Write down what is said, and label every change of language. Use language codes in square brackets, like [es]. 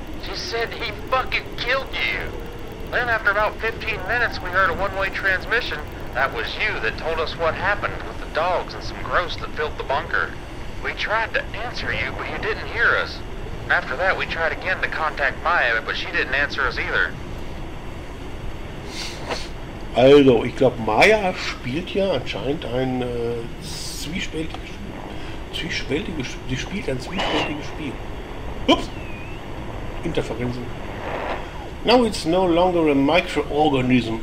[en] She said he fucking killed you. Then after about 15 minutes, we heard a one-way transmission. That was you that told us what happened with the dogs and some gross that filled the bunker. We tried to answer you, but you didn't hear us. After that, we tried again to contact Maya, but she didn't answer us either. [de] Also, ich glaube, Maya spielt ja anscheinend ein zwiespältiges Spiel. Sie spielt ein zwiespältiges Spiel. Ups! Interferenzen. [en] Now it's no longer a microorganism.